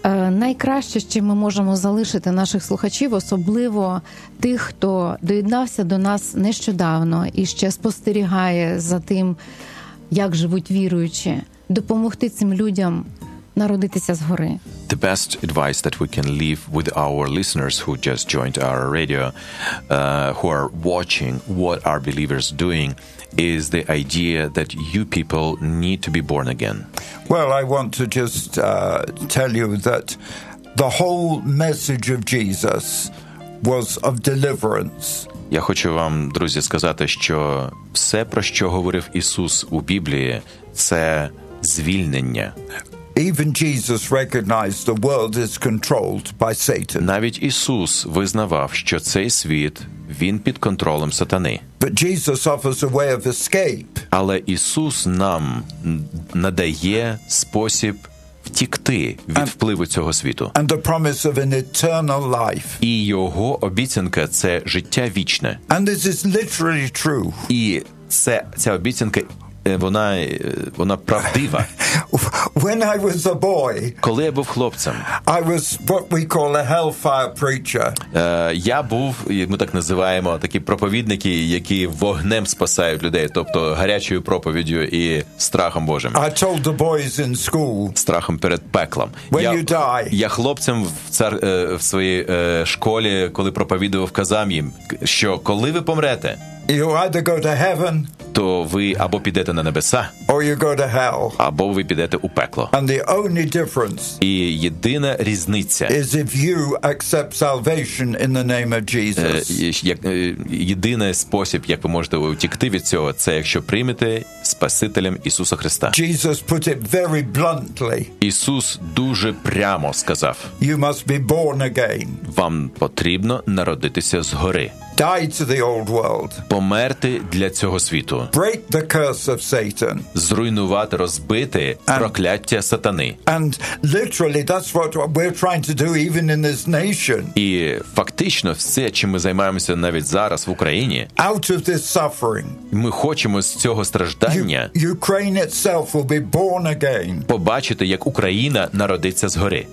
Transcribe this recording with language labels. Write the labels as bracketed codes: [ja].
[uk] Найкраще, що ми можемо залишити наших слухачів, особливо тих, хто доєднався до нас нещодавно і ще спостерігає за тим, як живуть віруючі, допомогти цим людям народитися згори. [en] The best advice that we can leave with our listeners who just joined our radio, who are watching what our believers doing, is the idea that you people need to be born again. Well, I want to just tell you that the whole message of Jesus was of deliverance. [uk] Я хочу вам, друзі, сказати, що все, про що говорив Ісус у Біблії, це звільнення. [en] Even Jesus recognized the world is controlled by Satan. [uk] Навіть Ісус визнавав, що цей світ, він під контролем сатани. [en] But Jesus offers a way of escape. [uk] Але Ісус нам надає спосіб втікти від впливу цього світу. [en] And the promise of an eternal life. [uk] І його обіцянка – це життя вічне. [en] And this is literally true. [uk] І ця обіцянка – Вона правдива. [en] When I was a boy, [uk] коли я був хлопцем, [en] I was what we call a hellfire preacher. [uk] Я був, ми так називаємо, такі проповідники, які вогнем спасають людей, тобто гарячою проповіддю і страхом Божим. [en] I told the boys in school, [uk] страхом перед пеклом. [en] When you die, [uk] я хлопцем в своїй школі, коли проповідував, казав їм, що коли ви помрете, [en] you either go to heaven, [uk] то ви або підете на небеса, [en] or you go to hell, [uk] або ви підете у пекло. [en] And the only difference, [uk] і єдина різниця, [en] is if you accept salvation in the name of Jesus. [uk] Єдиний спосіб, як ви можете утікти від цього, це якщо приймете Спасителем Ісуса Христа. [en] Jesus put it very bluntly. [uk] Ісус дуже прямо сказав, [en] you must be born again. [uk] Вам потрібно народитися згори. [en] Die to the old world. [uk] Померти для цього світу. [en] Break the curse of Satan. [uk] Зруйнувати, розбити прокляття сатани. [en] And literally that's what we're trying to do even in this nation. [uk] І фактично все, чим ми займаємося навіть зараз в Україні. [en] Out of this suffering. [uk] Ми хочемо з цього страждання. [en] Ukraine itself will be born again. [uk] Побачити, як Україна народиться згори.